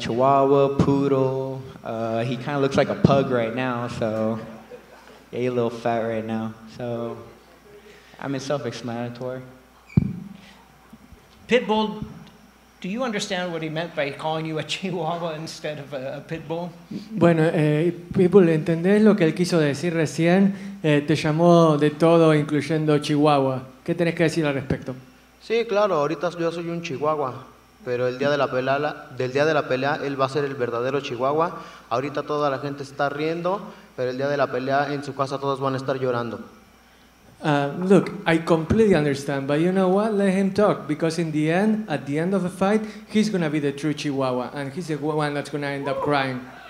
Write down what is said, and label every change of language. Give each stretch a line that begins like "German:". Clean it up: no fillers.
English: Chihuahua, poodle. He kind of looks like a pug right now, so yeah, he's a little fat right now. So I mean, self-explanatory. Pitbull, do you understand what he meant by calling you a chihuahua instead of a pitbull?
Spanish: Bueno, Pitbull, ¿entendés lo que él quiso decir recién? Te llamó de todo, incluyendo chihuahua. ¿Qué tenés que decir al respecto? Sí, claro, ahorita yo soy un chihuahua, pero el día de la pelea, él va a ser el verdadero chihuahua. Ahorita toda la gente está riendo, pero el día de la pelea en su casa todos van a estar llorando.
English: Look, I completely understand, but you know what? Let him talk, because in the end, at the end of the fight, he's going to be the true chihuahua, and he's the one that's going to end up crying.